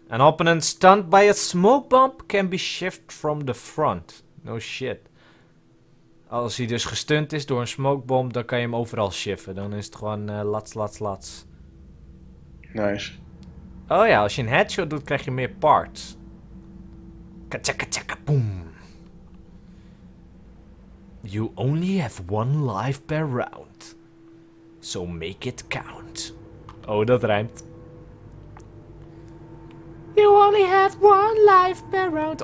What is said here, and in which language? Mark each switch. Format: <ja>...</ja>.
<en>An opponent stunned by a smoke bomb can be shifted from the front. No shit.</en> <nl>Als hij dus gestunt is door een smokebomb, dan kan je hem overal shiften. Dan is het gewoon lats. Nice. Oh ja, als je een headshot doet, krijg je meer parts. Katsakatsaka, boom.</nl> <en>You only have one life per round. So make it count.</en> <nl>Oh, dat rijmt.</nl> <en>You only have one life per round.</en>